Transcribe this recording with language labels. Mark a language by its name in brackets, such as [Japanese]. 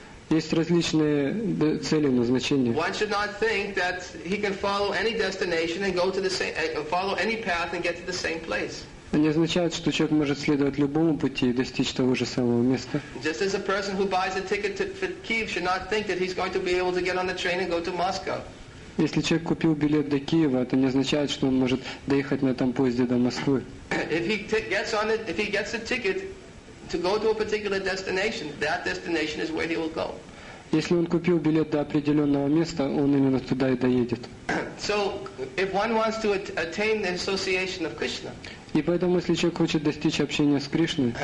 [Russian] Есть различные цели, назначения. [English] One should not think that he can follow any destination and go to the same, follow any path and get to the same place. [Russian] Не означает, что человек может следовать любому пути и достичь того же самого места. [English] Just as a person who buys a ticket to Kiev should not think that he's going to be able to get on the train and go to Moscow. [Russian] Если человек купил билет до Киева, это не означает, что он может доехать на этом поезде до Москвы. [English] If he gets the ticket. To go to a particular destination, that destination is where he will go. [Russian] Если он купил билет до определенного места, он именно туда и доедет. [English] So, if one wants to attain the association of Krishna, [Russian] и поэтому, если человек хочет достичь общения с Кришной,